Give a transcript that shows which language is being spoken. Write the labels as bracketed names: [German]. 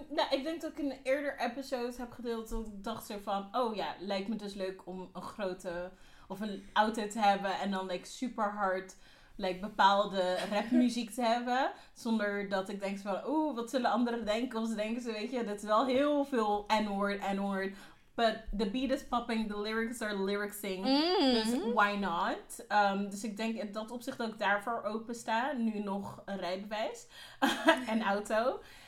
[Dutch] Ik denk dat ik in een eerder episode heb gedeeld. Dat ik dacht zo van, oh ja, lijkt me dus leuk om een grote of een auto te hebben. En dan like super hard like bepaalde rapmuziek te hebben. Zonder dat ik denk van, oeh, wat zullen anderen denken? Of ze denken ze, weet je, dat is wel heel veel N-word. [English] But the beat is popping, the lyrics are lyricsing, dus why not? [Dutch] Dus ik denk in dat opzicht ook daarvoor opensta, nu nog een rijbewijs en auto.